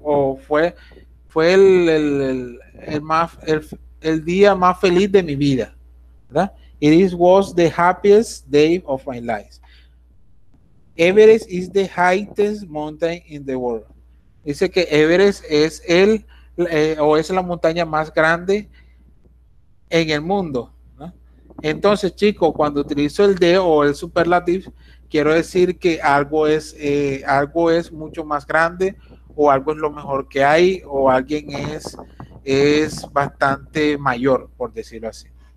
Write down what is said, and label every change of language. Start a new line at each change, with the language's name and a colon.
Spanish: O fue el día más feliz de mi vida, ¿verdad?
English: It was the happiest day of my life. Everest is the highest mountain in the world.
Spanish: Dice que Everest es el o es la montaña más grande en el mundo, ¿no? Entonces, chicos, cuando utilizo el de o el superlative, quiero decir que algo es mucho más grande, o algo es lo mejor que hay, o alguien es bastante mayor, por decirlo así.